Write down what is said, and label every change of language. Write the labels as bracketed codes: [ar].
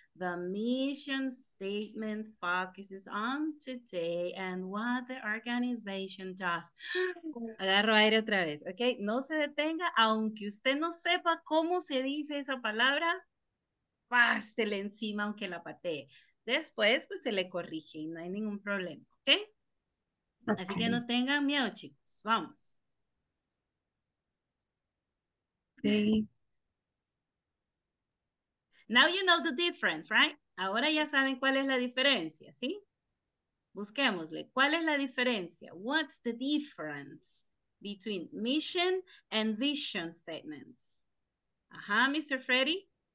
[en] The mission statement focuses on today and what the organization does. [es] Agarro aire otra vez, ¿ok? No se detenga, aunque usted no sepa cómo se dice esa palabra, pásele encima aunque la patee. Después, pues se le corrige y no hay ningún problema, ¿ok? Así que no tengan miedo, chicos. Vamos. [en] Okay. Now you know the difference, right? [es] Ahora ya saben cuál es la diferencia, ¿sí? Busquémosle. ¿Cuál es la diferencia? [en] What's the difference between mission and vision statements? [es] Ajá, Mr. Freddy.